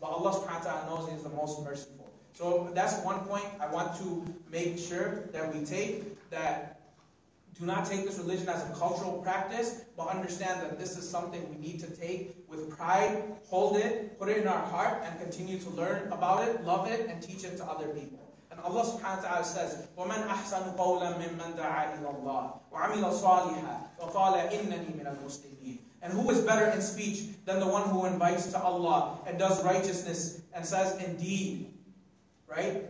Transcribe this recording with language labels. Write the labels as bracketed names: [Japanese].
[English] But Allah subhanahu wa ta'ala knows He is the most merciful. So that's one point I want to make sure that we take, that do not take this religion as a cultural practice, but understand that this is something we need to take with pride, hold it, put it in our heart, and continue to learn about it, love it, and teach it to other people. And Allah subhanahu wa ta'ala says, [Arabic] وَمَنْ أَحْسَنُ قَوْلًا مِمَّنْ دَعَى إِلَى اللَّهِ وَعَمِلَ صَالِحًا وَقَالَ إِنَّنِي مِنَ الْمُسْلِمِينَ. [English] And who is better in speech than the one who invites to Allah and does righteousness and says, indeed, right?